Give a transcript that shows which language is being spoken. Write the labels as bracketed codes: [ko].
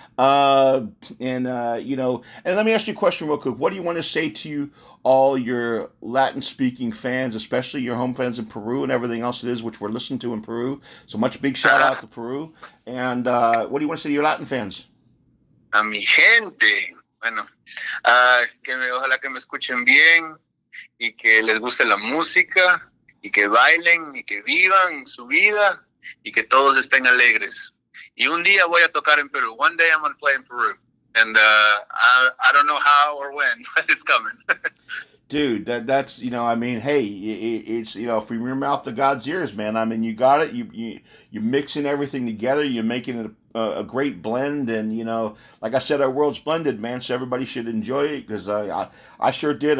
[en] And let me ask you a question real quick. What do you want to say to all your Latin speaking fans, especially your home fans in Peru and everything else it is, which we're listening to in Peru? So much big shout out to Peru. And what do you want to say to your Latin fans? [es] A mi gente, bueno, que me ojalá que me escuchen bien y que les guste la música y que bailen y que vivan su vida y que todos estén alegres. Y un día voy a tocar en Perú. [en] One day I'm gonna play in Peru. And I don't know how or when, but it's coming. Dude, that's I mean, hey, it's from your mouth to God's ears, man. I mean, you got it. You're mixing everything together. You're making it a great blend. And like I said, our world's blended, man. So everybody should enjoy it because I sure did.